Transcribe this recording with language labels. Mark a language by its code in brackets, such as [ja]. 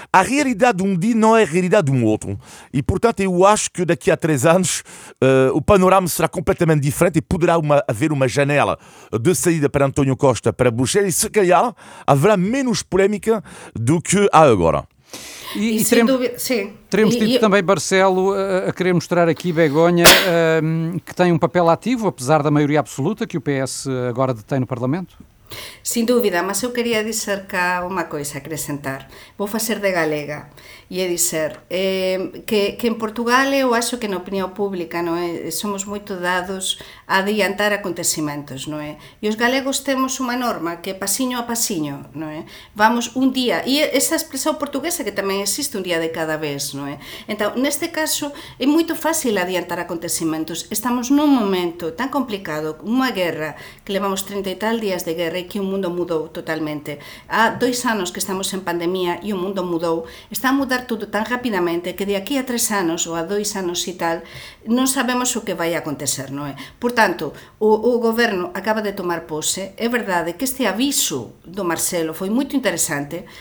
[pt] A realidade de um dia não é a realidade de um outro. E, portanto, eu acho que daqui a 3 anos o panorama será completamente diferente e poderá haver uma janela de saída para António Costa para Bruxelas e, se calhar, haverá menos polémica do que há agora. E sem dúvida, sim. Teremos tido também Barcelo a querer mostrar aqui Begonha, que tem um papel ativo, apesar da maioria absoluta que o PS agora detém no Parlamento? [gl] Sin dúbida, mas eu quería dizer cá unha coisa, acrescentar. Vou facer de galega e é dizer que en Portugal eu acho que na opinión pública non é, somos moito dados a adiantar acontecimentos, non é? E os galegos temos unha norma que é pasiño a pasiño, non é? Vamos un día, e esa expresión portuguesa que tamén existe un día de cada vez, non é? Entón, neste caso, é moito fácil adiantar acontecimentos. Estamos nun momento tan complicado, unha guerra que levamos 30 e tal días de guerra, e que o mundo mudou totalmente. Há 2 anos que estamos en pandemia e o mundo mudou. Está a mudar tudo tan rapidamente que de aquí a 3 anos ou a 2 anos e tal, non sabemos o que vai acontecer, non é? Portanto, o goberno acaba de tomar pose. É verdade que este aviso do Marcelo foi moito interesante.